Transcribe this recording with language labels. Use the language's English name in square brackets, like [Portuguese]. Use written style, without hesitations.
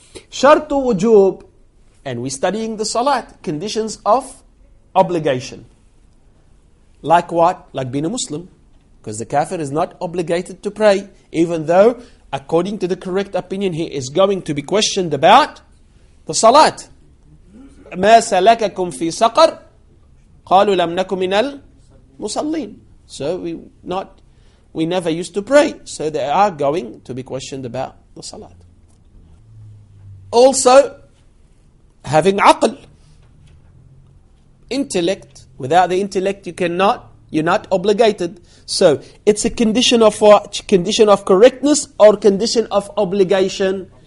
[English] Shart wujub, and we're studying the salat, conditions of obligation. Like what? Like being a Muslim. Because the kafir is not obligated to pray, even though, according to the correct opinion, he is going to be questioned about the salat. [Arabic] مَا سَلَكَكُمْ فِي سَقَرْ قَالُوا لَمْ نَكُمْ مِنَ الْمُصَلِّينَ [English] So we never used to pray. So they are going to be questioned about the salat. Also, having aql, intellect. Without the intellect, you're not obligated. So it's a condition of what? Condition of correctness or condition of obligation?